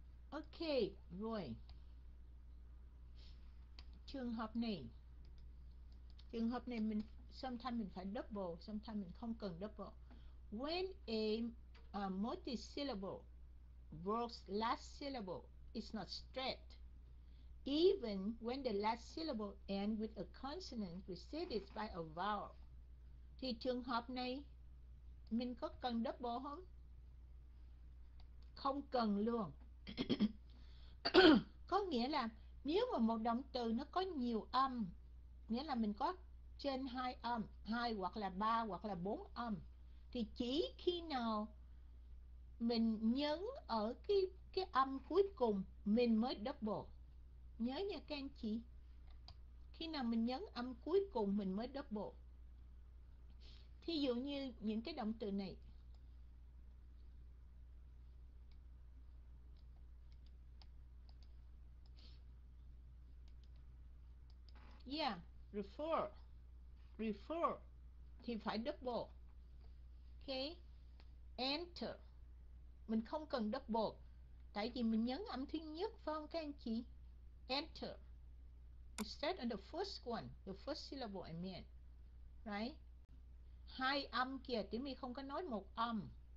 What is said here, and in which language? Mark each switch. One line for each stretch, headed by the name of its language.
Vietnamese: Ok, rồi. Trường hợp này mình sometimes mình phải double, sometimes mình không cần double.
English: When a multisyllable word's last syllable is not straight, even when the last syllable end with a consonant preceded by a vowel.
Vietnamese: Thì trường hợp này mình có cần double không? Không cần luôn. Có nghĩa là nếu mà một động từ nó có nhiều âm, nghĩa là mình có trên hai âm, hai hoặc là ba hoặc là bốn âm, thì chỉ khi nào mình nhấn ở cái âm cuối cùng mình mới double. Nhớ nha các anh chị. Khi nào mình nhấn âm cuối cùng mình mới double. Thí dụ như những cái động từ này.
English: Yeah, refer. Refer
Vietnamese: thì phải
English: double. Okay. Enter.
Vietnamese: Mình không cần double. Tại vì mình nhấn âm thứ nhất, phải không các anh chị?
English: Enter. Instead of the first one, the first syllable I mean. Right?
Vietnamese: Hai âm kìa, tiếng mình không có nói một âm.